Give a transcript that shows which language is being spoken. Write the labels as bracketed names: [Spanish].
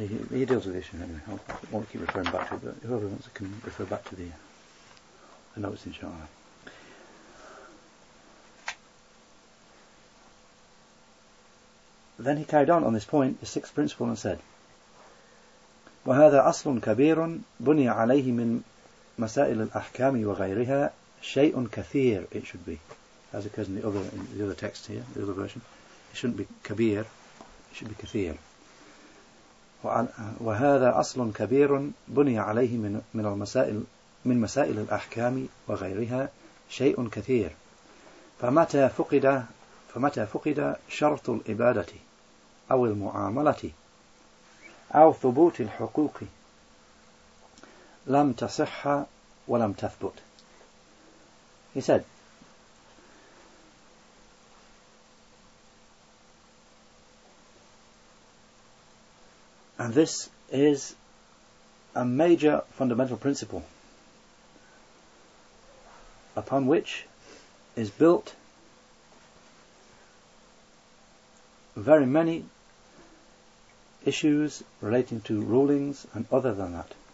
[English] He deals with the issue anyway. I won't keep referring back to it, but whoever wants can refer back to the notes, inshallah. Then he carried on this point, the sixth principle, and said, [Arabic] وهذا أصل كبير بني عليه من مسائل الأحكام وغيرها شيء كثير. [English] It should be, as occurs in the other text here, the other version. It shouldn't be كبير. It should be كثير. [Arabic] وهذا أصل كبير بني عليه من مسائل الأحكام وغيرها شيء كثير. فمتى فقد شرط الإبادة أو المعاملة أو ثبوت الحقوق لم تصح ولم تثبت. [English] He said, and this is a major fundamental principle upon which is built very many issues relating to rulings and other than that.